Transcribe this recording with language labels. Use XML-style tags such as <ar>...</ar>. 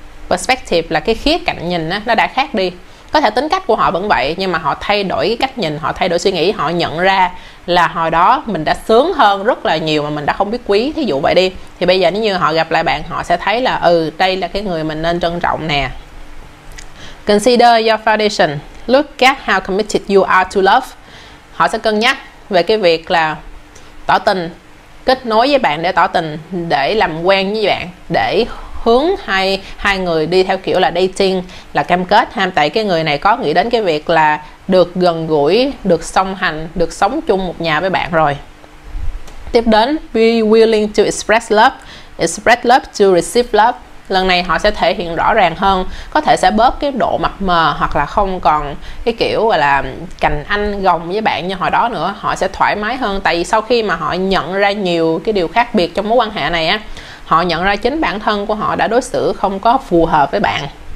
<vi>Perspective là cái khía cạnh nhìn đó, nó đã khác đi. Có thể tính cách của họ vẫn vậy, nhưng mà họ thay đổi cái cách nhìn, họ thay đổi suy nghĩ, họ nhận ra là hồi đó mình đã sướng hơn rất là nhiều mà mình đã không biết quý, thí dụ vậy đi. Thì bây giờ nếu như họ gặp lại bạn, họ sẽ thấy là ừ, đây là cái người mình nên trân trọng nè.</vi> <en>Consider your foundation, look at how committed you are to love.</en> <vi>Họ sẽ cân nhắc về cái việc là tỏ tình, kết nối với bạn để tỏ tình, để làm quen với bạn, để hướng hai hai người đi theo kiểu là dating, là cam kết ham, tại cái người này có nghĩ đến cái việc là được gần gũi, được song hành, được sống chung một nhà với bạn rồi. Tiếp đến,</vi> <en>be willing to express love to receive love.</en> <vi>Lần này họ sẽ thể hiện rõ ràng hơn, có thể sẽ bớt cái độ mập mờ hoặc là không còn cái kiểu gọi là cành anh gồng với bạn như hồi đó nữa. Họ sẽ thoải mái hơn, tại vì sau khi mà họ nhận ra nhiều cái điều khác biệt trong mối quan hệ này á, họ nhận ra chính bản thân của họ đã đối xử không có phù hợp với bạn.</vi>